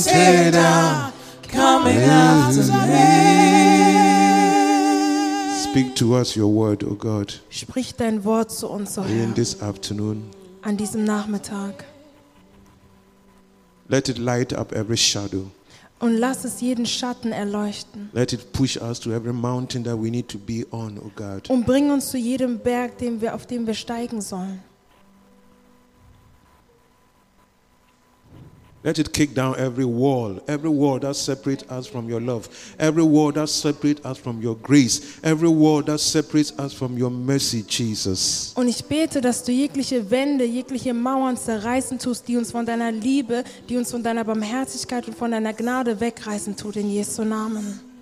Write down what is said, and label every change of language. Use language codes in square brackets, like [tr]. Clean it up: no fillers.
[en] tear down, coming after me. Speak to us your word, O God. [de] Sprich dein Wort zu uns, O Herr. [en] In this afternoon. [de] An diesem Nachmittag. [en] Let it light up every shadow. [de] Und lass es jeden Schatten erleuchten. [en] Let it push us to every mountain that we need to be on, O God. [de] Und bring uns zu jedem Berg, auf dem wir steigen sollen. [en] Let it kick down every wall that separates us from your love, every wall that separates us from your grace, every wall that separates us from your mercy, Jesus. [de] Und ich bete, dass du jegliche Wände, jegliche Mauern zerreißen tust, die uns von deiner Liebe, die uns von deiner Barmherzigkeit und von deiner Gnade wegreißen tut, in Jesu Namen.